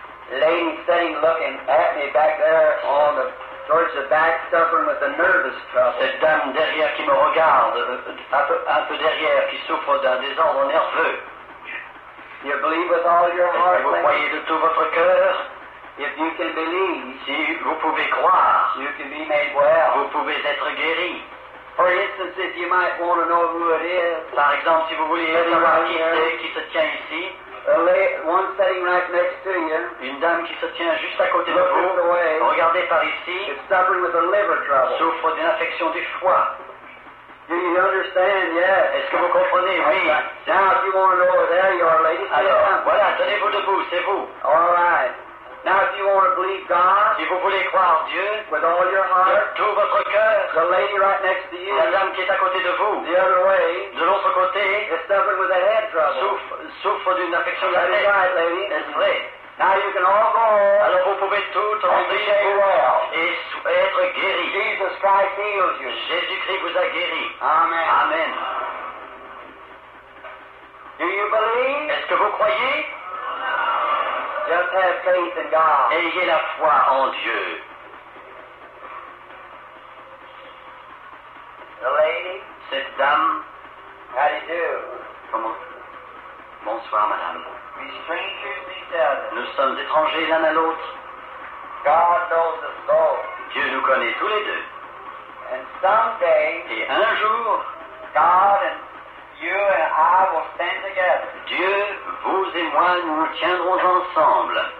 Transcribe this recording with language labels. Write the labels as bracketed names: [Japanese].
[English] Lady sitting looking at me back there on the towards the back, suffering with a nervous trouble. [French] Cette dame derrière qui me regarde, un peu derrière, qui souffre d'un désordre nerveux. [English] You believe with all your heart. [French] Vous croyez de tout votre cœur. [English] If you can believe, [French] si vous pouvez croire, [English] you can be made well. [French] Vous pouvez être guéri. [English] For instance, if you might want to know who it is. [French] Par exemple, si vous voulez savoir qui c'est qui se tient ici. [English] One sitting right next to you. [French] Une dame qui se tient juste à côté de vous. [English] Away, [French] regardez par ici. [English] Is suffering with a liver trouble. [French] Souffre d'une affection du foie. [English] Do you understand? Yes. [French] Est-ce que vous comprenez? Oui. [English] Now, if you want to know, there you are, ladies. [French] Alors, voilà, tenez-vous debout, c'est vous. [English] All right. Now, if you want to believe God, [French] si vous voulez croire Dieu, [English] with all your heart, [French] de tout votre cœur, [English] the lady right next to you, [French] la dame qui est à côté de vous, [English] the other way, [French] de l'autre côté, [English] is suffering with a head trouble. [French] Souffre d'une affection de la tête. [English] That's right, lady. [French] C'est vrai. [English] Now you can all go. [French] Alors vous pouvez tout rentrer [English] well. [French] Et être guéri. [English] Jesus Christ heals you. [French] Jésus-Christ vous a guéri. [English] Amen. [French] Amen. [English] Do you believe? [French] Est-ce que vous croyez? [English] Just have faith in God. [French] Ayez la foi en Dieu. [English] The lady. [French] Cette dame. [English] How do you do? [French] Comment? Bonsoir, madame. [English] We strangers meet the other. [French] Nous sommes étrangers l'un à l'autre. [English] God knows us both. [French] Dieu nous connaît tous les deux. [English] And someday, [French] et un jour, [English] God and you and I will stand together. [French] Dieu, vous et moi, nous nous tiendrons ensemble.